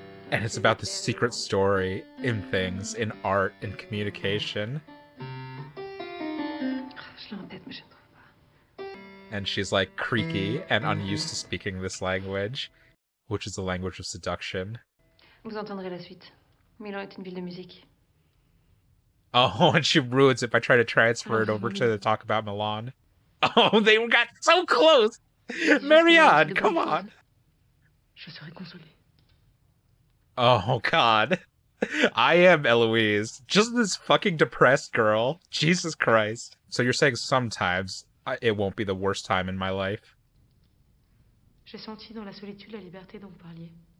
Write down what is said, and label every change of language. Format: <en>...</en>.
<en>And it's about the secret story in things, in art, in communication. And she's like creaky and unused to speaking this language, which is the language of seduction.</en> <fr>Vous entendrez la suite. Milan est une ville de musique.</fr> <en>Oh, and she ruins it by trying to transfer it over to the talk about Milan. Oh, they got so close! Marianne, come on!</en> <fr>Je serai consolée.</fr> <en>Oh, God. I am Héloïse. Just this fucking depressed girl. Jesus Christ. So you're saying sometimes it won't be the worst time in my life.</en> <fr>J'ai senti dans la solitude la liberté dont vous parliez.</fr>